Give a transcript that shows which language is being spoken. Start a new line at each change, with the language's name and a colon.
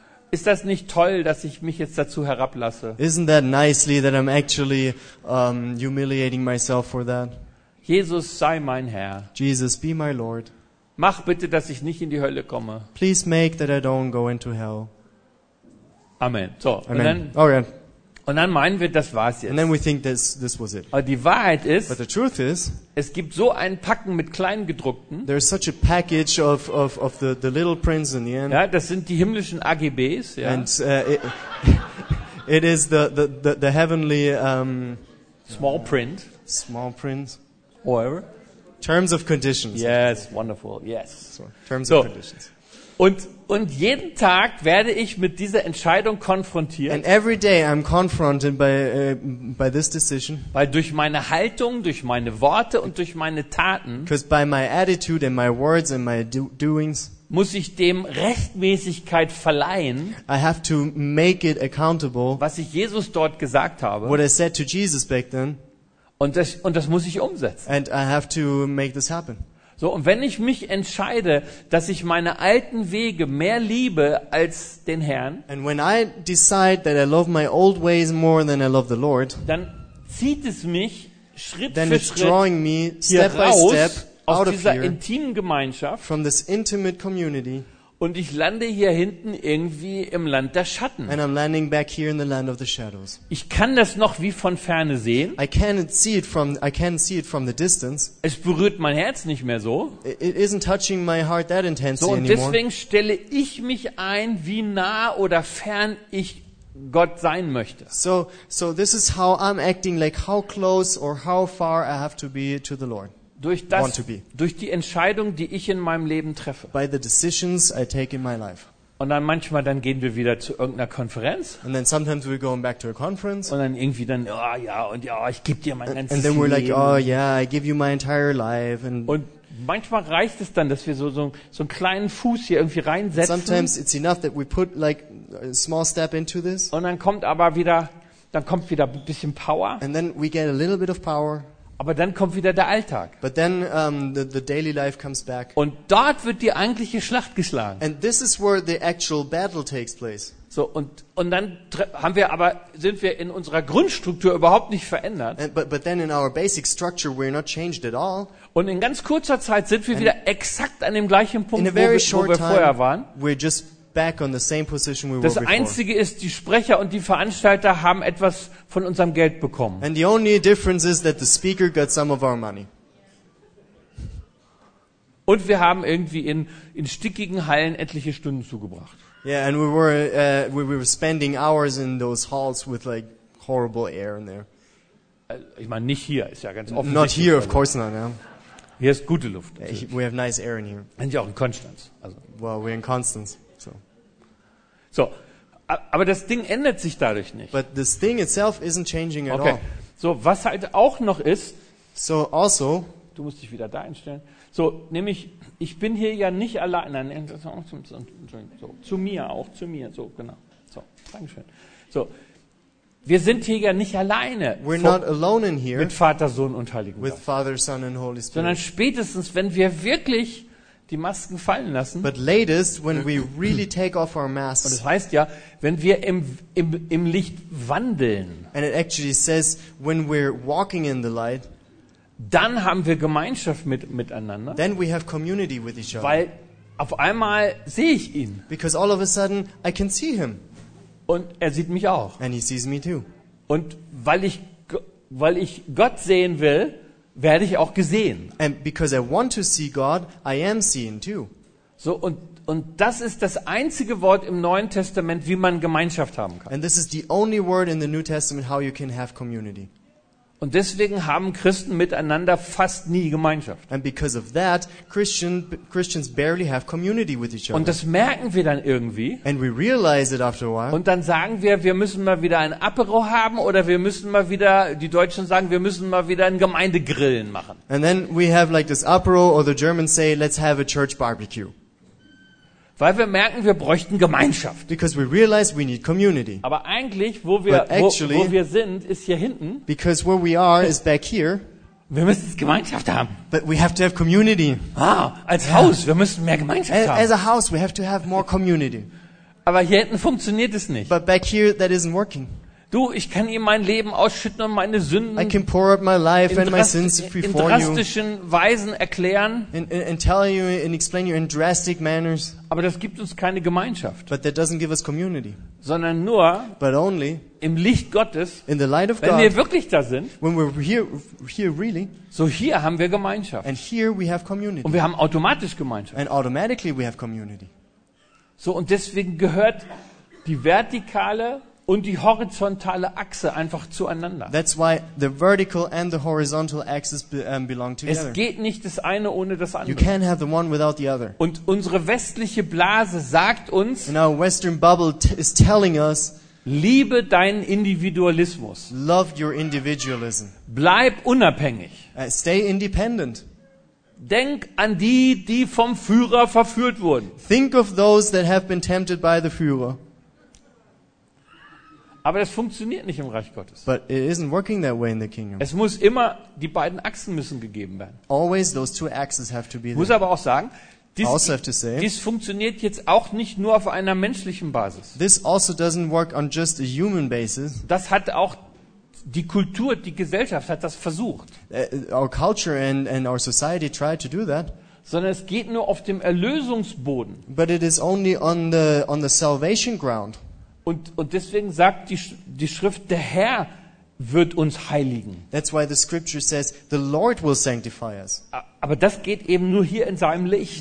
German: Ist das nicht toll, dass ich mich jetzt dazu herablasse?
English: Isn't that nicely that I'm actually humiliating myself for that?
German: Jesus, sei mein Herr.
English: Jesus, be my Lord.
German: Mach bitte, dass ich nicht in die Hölle komme.
English: Please make that I don't go into hell.
German: Amen. So,
English: Amen.
German: Und dann meinen wir, das war's jetzt.
English: And then we think this was it.
German: Aber die Wahrheit ist,
English: but the truth is,
German: es gibt so ein Packen mit Kleingedruckten.
English: There is such a package of the little prints in the end.
German: Ja, das sind die himmlischen AGBs. Ja.
English: And it is the heavenly small print. Small print. Whatever. Terms of conditions. Yes, wonderful. Yes. So, terms of conditions.
German: Und jeden Tag werde ich mit dieser Entscheidung konfrontiert.
English: And every day I'm confronted by this decision.
German: Weil durch meine Haltung, durch meine Worte und durch meine Taten.
English: Because by my attitude and my words and my doings.
German: Muss ich dem Rechtmäßigkeit verleihen?
English: I have to make it accountable.
German: Was ich Jesus dort gesagt habe.
English: What I said to Jesus back then.
German: Und das muss ich umsetzen.
English: And I have to make this happen.
German: So, und wenn ich mich entscheide, dass ich meine alten Wege mehr liebe als den Herrn,
English: and when I decide that I love my old ways more than I love the Lord,
German: dann zieht es mich Schritt
English: then
German: für Schritt
English: drawing me step
German: hier raus
English: by step
German: aus
English: out
German: dieser
English: of here,
German: intimen Gemeinschaft
English: from this intimate community,
German: und ich lande hier hinten irgendwie im Land der Schatten.
English: And I'm landing back here in the land of the shadows.
German: Ich kann das noch wie von ferne sehen.
English: I can see it from the distance.
German: Es berührt mein Herz nicht mehr so.
English: It isn't touching my heart that intensely anymore.
German: So, und deswegen stelle ich mich ein, wie nah oder fern ich Gott sein möchte.
English: So this is how I'm acting, like how close or how far I have to be to the Lord.
German: Durch die Entscheidung, die ich in meinem Leben treffe.
English: By the decisions I take in my life.
German: Und dann manchmal dann gehen wir wieder zu irgendeiner Konferenz.
English: And then sometimes we're going back to a conference.
German: Und dann irgendwie dann ich gebe dir mein ganzes Leben.
English: And then we're like I give you my entire life.
German: Und manchmal reicht es dann, dass wir so einen kleinen Fuß hier irgendwie reinsetzen.
English: Sometimes it's enough that we put like a small step into this.
German: Und dann kommt wieder ein bisschen Power.
English: And then we get a little bit of power.
German: Aber dann kommt wieder der Alltag.
English: But then the daily life comes back.
German: Und dort wird die eigentliche Schlacht geschlagen.
English: And this is where the actual battle takes place.
German: So, und dann sind wir in unserer Grundstruktur überhaupt nicht verändert.
English: And, but then in our basic structure we're not changed at all.
German: Und in ganz kurzer Zeit sind wir wieder exakt an dem gleichen Punkt, wo wir vorher waren.
English: We're just back on the same position we
German: das
English: were before.
German: Das einzige ist, die Sprecher und die Veranstalter haben etwas von unserem Geld bekommen.
English: And the only difference is that the speaker got some of our money.
German: Und wir haben irgendwie in stickigen Hallen etliche Stunden zugebracht.
English: Yeah, and we were spending hours in those halls with like horrible air in there.
German: Ich meine, nicht hier, ist ja ganz offensichtlich.
English: Not here, of course not. Yeah.
German: Hier ist gute Luft. Natürlich.
English: We have nice air in here.
German: Und ja auch in Konstanz. Also.
English: Well, we're in Konstanz. So.
German: So. Aber das Ding ändert sich dadurch nicht. But this thing itself isn't changing at all. So, was halt auch noch ist. So, also. Du musst dich wieder da einstellen. So, nämlich, ich bin hier ja nicht allein. Nein, so, zu mir. So, genau. So, dankeschön. So. Wir sind hier ja nicht alleine.
English: We're not alone in here.
German: Mit Vater, Sohn und Heiligen Geist.
English: With Father, Son and Holy Spirit.
German: Sondern spätestens, wenn wir wirklich die Masken fallen lassen.
English: But latest, when we really take off our masks.
German: Und das heißt ja, wenn wir im Licht wandeln.
English: And it actually says, when we're walking in the light.
German: Dann haben wir Gemeinschaft miteinander.
English: Then we have community with each other.
German: Weil auf einmal sehe ich ihn.
English: Because all of a sudden I can see him.
German: Und er sieht mich auch.
English: And he sees me too.
German: Und weil ich Gott sehen will, werde ich auch gesehen.
English: And because I want to see God, I am seen too.
German: So, und das ist das einzige Wort im Neuen Testament, wie man Gemeinschaft haben kann.
English: And this is the only word in the New Testament how you can have community.
German: Und deswegen haben Christen miteinander fast nie Gemeinschaft.
English: And because of that, Christians barely have community with each other.
German: Und das merken wir dann irgendwie.
English: And we realize it after a while.
German: Und dann sagen wir müssen mal wieder ein Apéro haben oder wir müssen mal wieder, die Deutschen sagen, wir müssen mal wieder ein Gemeindegrillen machen.
English: And then we have like this Apéro or the Germans say, let's have a church barbecue.
German: Weil wir merken, wir bräuchten Gemeinschaft.
English: Because we realize we need community.
German: Aber eigentlich, wo wir sind, ist hier hinten.
English: Because where we are is back here.
German: Wir müssen Gemeinschaft haben.
English: But we have to have community.
German: Ah, als Haus, wir müssen mehr Gemeinschaft haben.
English: As a house, we have to have more community.
German: Aber hier hinten funktioniert es nicht.
English: But back here, that isn't working.
German: Du, ich kann ihm mein Leben ausschütten und meine Sünden
English: I can pour out my life and my sins before you.
German: In drastischen Weisen erklären.
English: And tell you and explain you in drastic manners.
German: Aber das gibt uns keine Gemeinschaft.
English: But that doesn't give us community.
German: Sondern nur
English: But only
German: im Licht Gottes,
English: in the light of
German: wenn
English: God,
German: wir wirklich da sind.
English: When we're here really,
German: so hier haben wir Gemeinschaft.
English: And here we have community.
German: Und wir haben automatisch Gemeinschaft.
English: And automatically we have community.
German: So, und deswegen gehört die vertikale und die horizontale Achse einfach zueinander.
English: That's why the vertical and the horizontal axis belong together.
German: Es geht nicht das eine ohne das andere.
English: You can't have the one without the other.
German: Und unsere westliche Blase sagt uns,
English: and our Western bubble is telling us,
German: liebe deinen Individualismus.
English: Love your individualism.
German: Bleib unabhängig.
English: Stay independent.
German: Denk an die vom Führer verführt wurden.
English: Think of those that have been tempted by the Führer.
German: Aber das funktioniert nicht im Reich Gottes.
English: But it isn't working that way in the kingdom.
German: Es muss immer, die beiden Achsen müssen gegeben werden.
English: Always those two axes have to be there.
German: Muss aber auch sagen, dies funktioniert jetzt auch nicht nur auf einer menschlichen Basis.
English: This also doesn't work on just a human basis.
German: Das hat auch die Kultur, die Gesellschaft hat das versucht.
English: Our culture and our society tried to do that.
German: Sondern es geht nur auf dem Erlösungsboden.
English: But it is only on the salvation ground.
German: Und deswegen sagt die Schrift, der Herr wird uns heiligen.
English: That's why the scripture says, the Lord will sanctify us.
German: Aber das geht eben nur hier in seinem Licht.